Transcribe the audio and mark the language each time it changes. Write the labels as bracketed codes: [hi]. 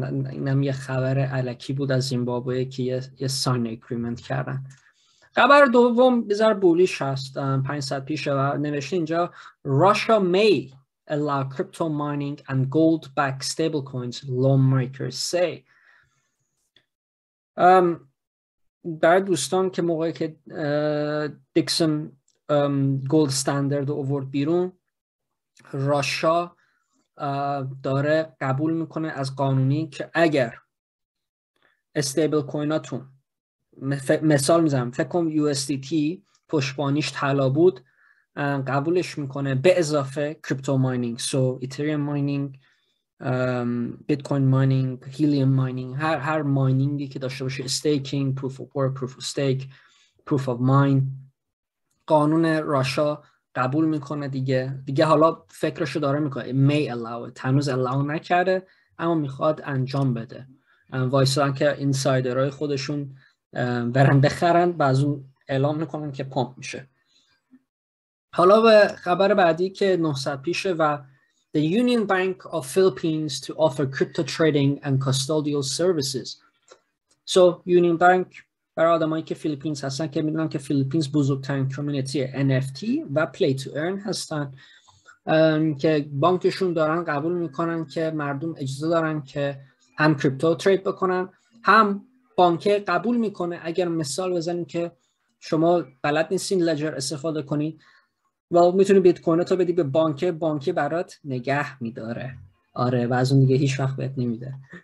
[fa] اینم یه خبر علکی بود از زیمبابوه که یه ساین اگریمنت کردن. خبر دوم بذار بولیش هست، 500 پیش و نوشته اینجا [en] Russia may allow crypto mining and gold-backed stablecoins, lawmakers say. [fa] برای دوستان که موقعی که دیکسون گولد استاندارد آورد بیرون، راشا داره قبول میکنه از قانونی که اگر استیبل کویناتون، مثال میزنم فکرم USDT پشتبانیش طلا بود، قبولش میکنه به اضافه کریپتو ماینینگ، سو ایتریوم ماینینگ، بیتکوین ماینینگ، هیلیوم ماینینگ، هر ماینینگی که داشته باشه، استیکینگ، پروف آف ورک، پروف آف استیک، پروف آف ماین، قانون راشا قبول میکنه دیگه حالا فکرشو داره میکنه، می الاو، تنوز الاو نکرده اما میخواد انجام بده. وایسان که اینسایدرهای خودشون برن بخرن و از اون اعلام میکنن که پامپ میشه. حالا به خبر بعدی که 900 پیشه و [en] The Union Bank of Philippines to offer crypto trading and custodial services. [fa] So Union Bank برای آدمایی که فیلیپینز هستن که میدونن که فیلیپینز بزرگترین کمیونیتی NFT و Play to Earn هستن، که بانکشون دارن قبول میکنن که مردم اجازه دارن که هم کریپتو ترید بکنن، هم بانک قبول میکنه اگر مثال بزنیم که شما بلد نیستین لجر استفاده کنید و میتونی بیت کوین تو بدی به بانکه، بانکه برات نگه میداره، آره، و از اون دیگه هیچ وقت بهت نمیده.